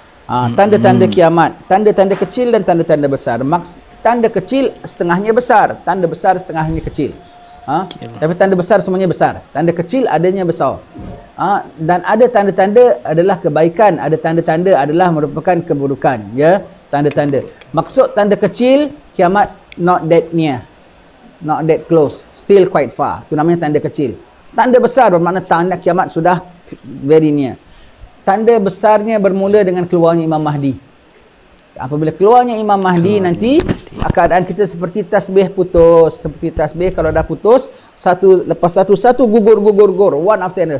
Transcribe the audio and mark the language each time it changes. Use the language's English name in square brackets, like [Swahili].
[Malay] Tanda-tanda kiamat, tanda-tanda kecil dan tanda-tanda besar. Tanda kecil setengahnya besar, tanda besar setengahnya kecil. Tapi tanda besar semuanya besar, tanda kecil adanya besar. Dan ada tanda-tanda adalah kebaikan, ada tanda-tanda adalah merupakan keburukan, ya. Tanda-tanda. Maksud tanda kecil, kiamat [English] not that near, not that close, still quite far. [Malay] Itu namanya tanda kecil. Tanda besar bermakna tanda kiamat sudah very near. Tanda besarnya bermula dengan keluarnya Imam Mahdi. Apabila keluarnya Imam Mahdi, nanti keadaan kita seperti tasbih putus. Seperti tasbih kalau dah putus, satu lepas satu-satu gugur-gugur-gugur. [English] One after another.